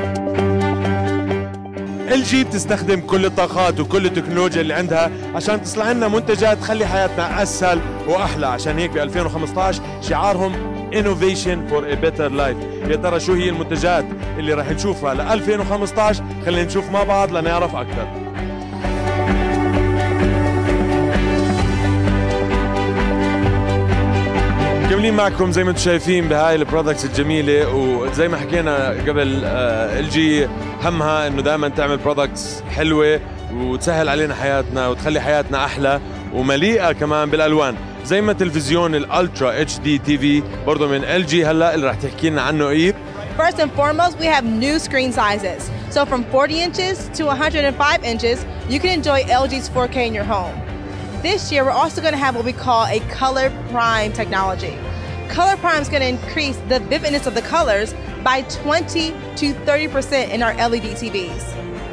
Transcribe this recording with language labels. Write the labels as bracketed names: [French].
[Arabic] التكنولوجيا بتستخدم كل الطاقات وكل التكنولوجيا اللي عندها عشان تصلح لنا منتجات تخلي حياتنا أسهل وأحلى. عشان هيك ب 2015 شعارهم Innovation for a Better Life. يا ترى شو هي المنتجات اللي راح نشوفها ل 2015؟ خلينا نشوف مع بعض لنعرف أكثر. مكملين معكم زي ما انتم شايفين بهاي البرودكتس الجميلة، وزي ما حكينا قبل الجي همها انه دائما تعمل برودكتس حلوة وتسهل علينا حياتنا وتخلي حياتنا أحلى ومليئة كمان بالألوان، زي ما تلفزيون الألترا اتش دي تي في برضه من ال جي هلا اللي راح تحكي لنا عنه ايه. [English] First and foremost we have new screen sizes. So from 40 inches to 105 inches you can enjoy LG's 4K in your home. This year we're also going to have what we call a color prime technology. Color prime is going to increase the vividness of the colors by 20 to 30% in our LED TVs.